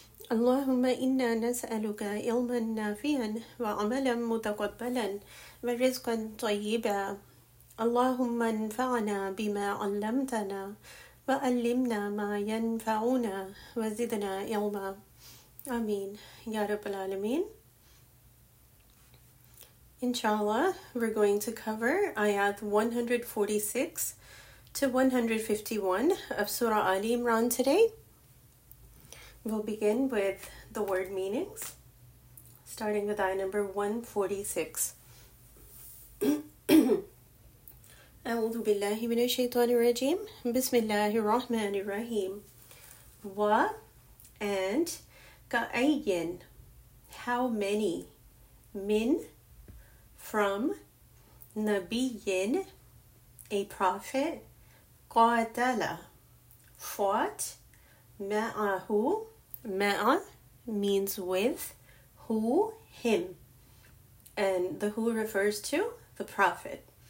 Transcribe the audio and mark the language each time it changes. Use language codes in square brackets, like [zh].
[ar] اللهم إنا نسألك علما نافعا وعملا متقبلا ورزقا طيبا. اللهم انفعنا بما علمتنا وعلمنا ما ينفعنا وزدنا علما. آمين يا رب العالمين. [en] Inshallah, we're going to cover ayat 146 to 151 of Surah Ali Imran today. We'll begin with the word meanings, starting with ayah number 146. [ar] أعوذ بالله من الشيطان الرجيم. بسم الله الرحمن الرحيم. [en] و and كأين, how many, من, from, نبيين, a prophet, قاتل, fought, معه, ma'a means with, who, him, and the who refers to the prophet.